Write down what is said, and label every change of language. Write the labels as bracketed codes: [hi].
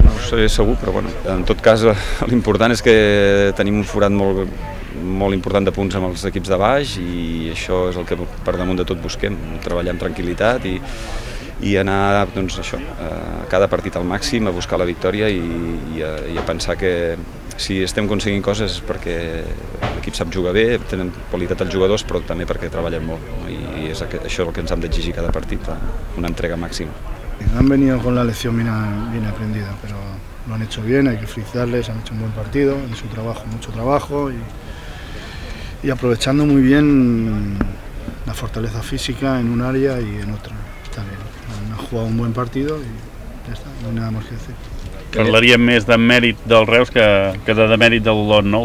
[ca] No ho sé, segur, però bueno, en tot cas l'important és que tenim un forat molt, molt important de punts amb els equips de baix i això és el que per damunt de tot busquem, treballar amb tranquil·litat i anar doncs, això, a cada partit al màxim a buscar la victòria i a pensar que si estem aconseguint coses és perquè l'equip sap jugar bé, tenen qualitat els jugadors, però també perquè treballen molt. No? I és això el que ens hem d'exigir cada partit, una entrega màxima. [es] Han venido con la lección bien aprendida, pero lo han hecho bien, hay que felicitarles, han hecho un buen partido, en su trabajo, mucho trabajo y aprovechando muy bien la fortaleza física en un área y en otra. Está bien. Han jugado un buen partido y ya está, no hay nada más que decir. [ca] Parlaríem més de mèrit del Reus que de mèrit de l'Olot, no?